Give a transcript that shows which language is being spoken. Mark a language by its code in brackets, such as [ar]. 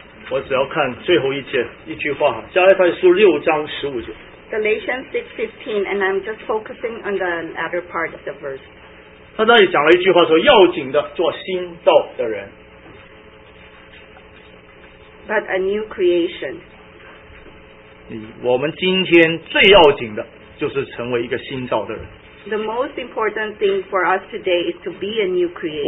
[zh] 我只要看最后一节一句话，加拉太书六章十五节。 [en] Galatians 6:15, and I'm just focusing on the latter part of the verse. [zh] 他那里讲了一句话，说要紧的做新造的人。 [en] But a new creation. [zh] 我们今天最要紧的就是成为一个新造的人。 [en] The most important thing for us today is to be a new creation.